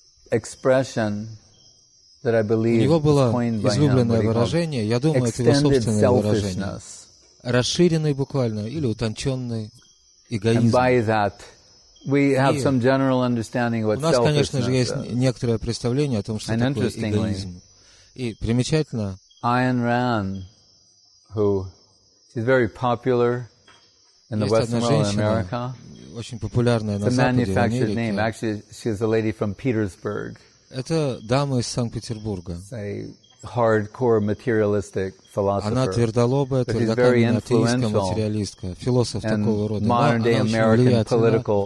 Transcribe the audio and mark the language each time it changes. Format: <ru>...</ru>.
<ru>У него было излюбленное выражение, я думаю, это его собственное выражение, расширенный буквально или утонченный эгоизм.</ru> <en>We have some general understanding what selfishness</en> <ru>is. У нас, конечно же, есть некоторое представление о том, что такое эгоизм. И примечательно,</ru> <en>Айн Ран, who is very popular in the Western world in America,</en> <ru>очень популярная на Западе, в Америке.</ru> <en>It's a manufactured name. Actually, she's a lady from Petersburg.</en> <ru>Это дама из Санкт-Петербурга.</ru> <en>Hardcore materialistic philosopher.</en> <ru>Она твердолобая, твердокаменная атеистка, материалистка, философ такого рода. Но она очень влиятельна</ru>